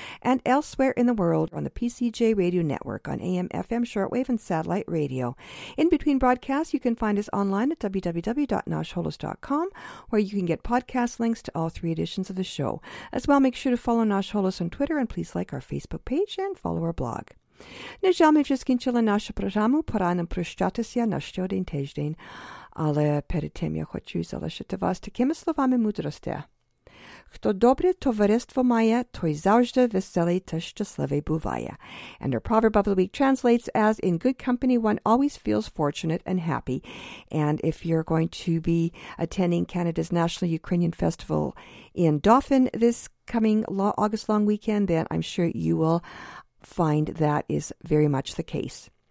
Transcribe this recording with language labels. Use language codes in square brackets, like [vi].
[en] And elsewhere in the world on the PCJ Radio Network on AM, FM, shortwave, and satellite radio. In between broadcasts, you can find us online at www.nasholos.com, where you can get podcast links to all three editions of the show. As well, make sure to follow Nasholos on Twitter and please like our Facebook page and follow our blog. [uk] На жаль, ми вже скінчили нашу програму. Пора нам прощатися на щодень тиждень. Але перед тим я хочу залишити вас такими словами мудрості. Хто добре товариство має, той завжди веселий та щасливий буває. [en] And our proverb of the week translates as, in good company, one always feels fortunate and happy. And if you're going to be attending Canada's National Ukrainian Festival in Dauphin this coming August long weekend, then I'm sure you will find that is very much the case.